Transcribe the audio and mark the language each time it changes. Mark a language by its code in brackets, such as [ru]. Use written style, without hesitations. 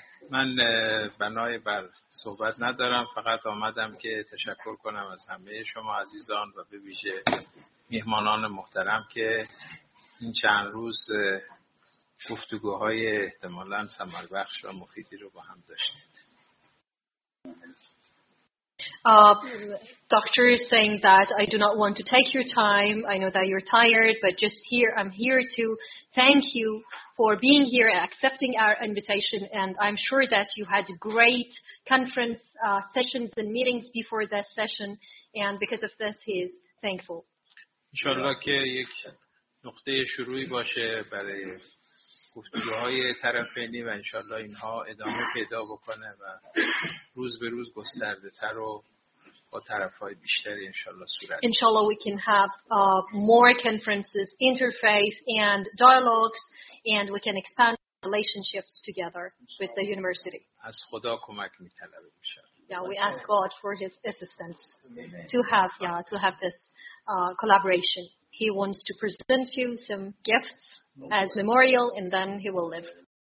[fa] من بنای بر صحبت ندارم، فقط آمدم که تشکر کنم از همه شما عزیزان و به ویژه مهمانان محترم که این چند روز گفتگوهای احتمالاً ثمر بخش و مفیدی رو با هم داشتید. [en] doctor is saying that I do not want to take your time. I know that you're tired, but just here, I'm here to thank you for being here and accepting our invitation. And I'm sure that you had great conference sessions and meetings before this session. And because of this, he is thankful. [fa] Inshallah, ke yek nokte shurui bashe baraye گفتگوهای طرفینی و انشالله اینها ادامه پیدا بکنه و روز به روز گسترده تر و با طرفهای بیشتری انشالله صورت بگیره. [en] انشالله we can have more conferences, interfaith and dialogues and we can expand relationships together with the university. [fa] از خدا کمک میطلبیم انشالله. [en] Yeah, we ask God for his assistance to have this collaboration. He wants to present you some gifts as memorial and then he will live.